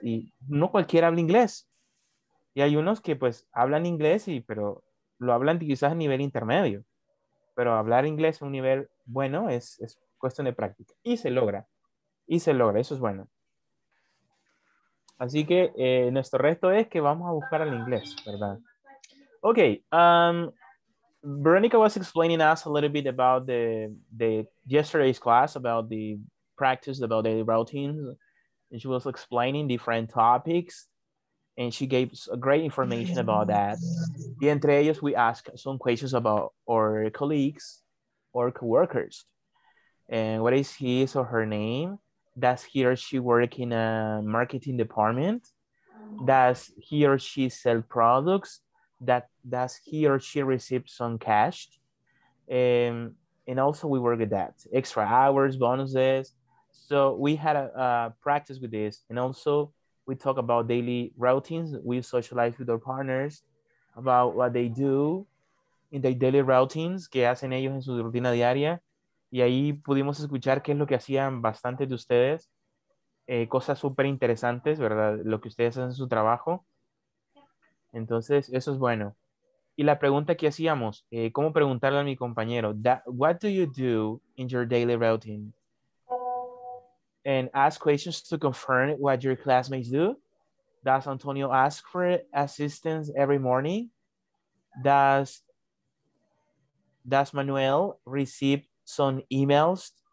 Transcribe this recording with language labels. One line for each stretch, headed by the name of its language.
Spanish: Y no cualquiera habla inglés. Y hay unos que pues hablan inglés, pero lo hablan quizás a nivel intermedio. Pero hablar inglés a un nivel bueno es cuestión de práctica. Y se logra. Y se logra. Eso es bueno. Así que nuestro reto es que vamos a buscar el inglés, ¿verdad? Ok.
English: Veronica was explaining us a little bit about the yesterday's class, about the practice, about the routines. And she was explaining different topics. And she gave great information about that.
Spanish: Y entre ellos,
English: we asked some questions about our colleagues or coworkers. And what is his or her name? Does he or she work in a marketing department? Does he or she sell products? Does he or she receive some cash? And also we work with that. Extra hours, bonuses. So we had a practice with this. And also we talk about daily routines. We socialize with our partners about what they do in their daily routines.
Spanish: ¿Qué hacen ellos en su rutina diaria? Y ahí pudimos escuchar qué es lo que hacían bastantes de ustedes. Cosas súper interesantes, ¿verdad? Lo que ustedes hacen en su trabajo. Entonces, eso es bueno. Y la pregunta que hacíamos, ¿cómo preguntarle a mi compañero?
English: What do you do in your daily routine? And ask questions to confirm what your classmates do. Does Antonio ask for assistance every morning? Does Manuel receive some emails?